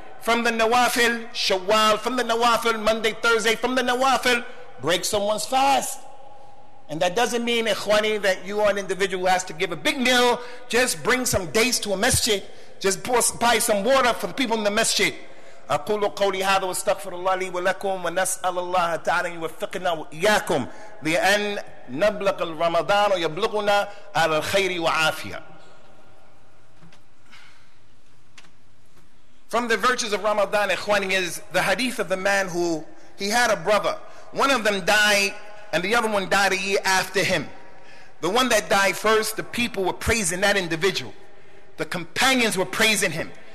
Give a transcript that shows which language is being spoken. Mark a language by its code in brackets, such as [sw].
[en] From the nawafil, shawwal. From the nawafil, Monday, Thursday. From the nawafil, break someone's fast. And that doesn't mean, ikhwani, that you are an individual who has to give a big meal. Just bring some dates to a masjid. Just buy some water for the people in the masjid. [ar] أقول قولي هذا واستغفر الله لي ولكم ونسأل الله تعالى أن يوفقنا وإياكم لأن نبلغ رمضان ويبلغنا على الخير وعافية. [en] From the virtues of Ramadan, ikhwani, is the hadith of the man who, he had a brother. One of them died and the other one died a year after him. The one that died first, the people were praising that individual. The companions were praising him.